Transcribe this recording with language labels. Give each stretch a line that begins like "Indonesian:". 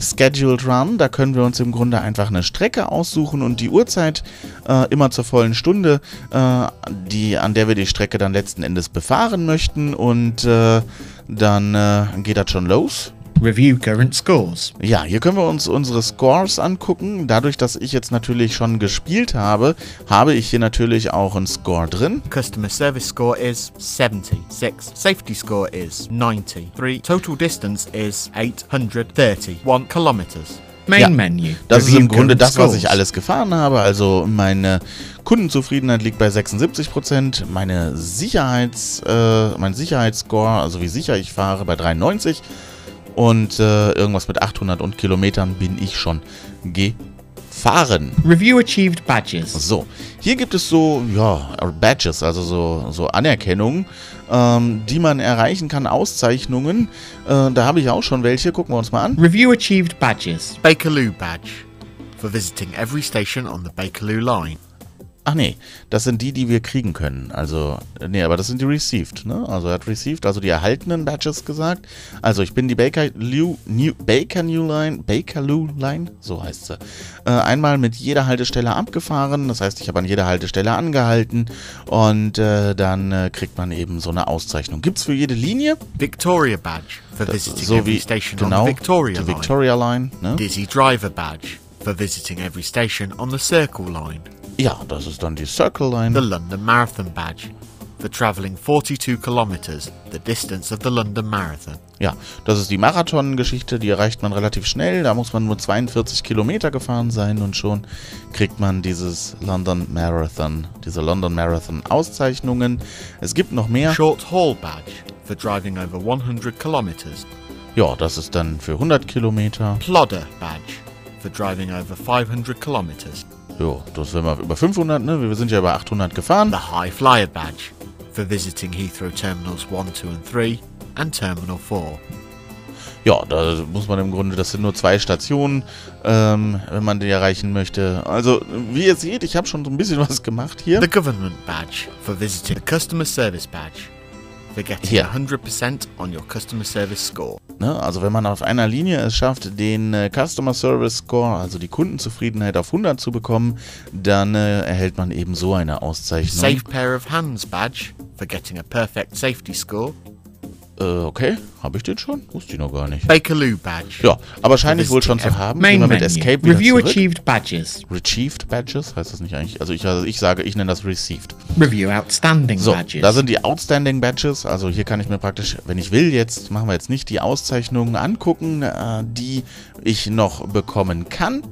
German: Scheduled Run, da können wir uns im Grunde einfach eine Strecke aussuchen und die Uhrzeit immer zur vollen Stunde, an der wir die Strecke dann letzten Endes befahren möchten. Und dann geht das schon los.
English: Review current scores.
German: Ja, hier können wir uns unsere Scores angucken. Dadurch, dass ich jetzt natürlich schon gespielt habe, habe ich hier natürlich auch einen Score drin.
English: Customer service score is 76. Safety score is 93. Total distance is 831 kilometers. Main Menu.
German: Das ist im Grunde das, was ich alles gefahren habe. Also meine Kundenzufriedenheit liegt bei 76%, mein Sicherheitsscore, also wie sicher ich fahre, bei 93. Und irgendwas mit 800 und Kilometern bin ich schon gefahren.
English: Review achieved badges.
German: So, hier gibt es Badges, also so Anerkennung, die man erreichen kann, Auszeichnungen. Da habe ich auch schon welche, gucken wir uns mal an.
English: Review achieved badges. Bakerloo Badge. For visiting every station on the Bakerloo Line.
German: Ach nee, das sind die wir kriegen können. Also, nee, aber das sind die Received, ne? Also er hat Received, also die erhaltenen Badges gesagt. Also ich bin die Bakerloo Line, so heißt sie, einmal mit jeder Haltestelle abgefahren. Das heißt, ich habe an jeder Haltestelle angehalten und dann kriegt man eben so eine Auszeichnung. Gibt's für jede Linie?
English: Victoria Badge for visiting every station on the Victoria Line.
German: Victoria Line, ne?
English: Dizzy Driver Badge for visiting every station on the Circle Line.
German: Ja, das ist dann die Circle Line.
English: The London Marathon Badge. For traveling 42 kilometers, the distance of the London Marathon.
German: Ja, das ist die Marathon-Geschichte, die erreicht man relativ schnell. Da muss man nur 42 Kilometer gefahren sein und schon kriegt man dieses London Marathon, diese London Marathon-Auszeichnungen. Es gibt noch mehr.
English: Short Haul Badge. For driving over 100 kilometers.
German: Ja, das ist dann für 100 Kilometer.
English: Plodder Badge. For driving over 500 kilometers.
German: Jo, das wären wir über 500, ne? Wir sind ja über 800 gefahren.
English: The High Flyer Badge for visiting Heathrow Terminals 1, 2 and 3 and Terminal 4.
German: Ja, da muss man im Grunde, das sind nur zwei Stationen, wenn man die erreichen möchte. Also, wie ihr seht, ich habe schon so ein bisschen was gemacht hier.
English: The Government Badge for visiting. The Customer Service Badge for getting 100% on your Customer Service Score.
German: Ne, also, wenn man auf einer Linie es schafft, den Customer Service Score, also die Kundenzufriedenheit auf 100 zu bekommen, dann erhält man eben so eine Auszeichnung.
English: Safe Pair of Hands Badge for getting a perfect safety score.
German: Okay, habe ich den schon? Wusste ich noch gar nicht.
English: Bakerloo Badge.
German: Ja, aber scheine ich wohl schon zu haben.
English: Main Menu. Escape Review
German: zurück.
English: Achieved Badges. Achieved Badges?
German: Heißt das nicht eigentlich? Also ich sage, ich nenne das Received.
English: Review Outstanding
German: so,
English: Badges.
German: So, da sind die Outstanding Badges. Also hier kann ich mir praktisch, wenn ich will, jetzt machen wir jetzt nicht die Auszeichnungen angucken, die ich noch bekommen kann.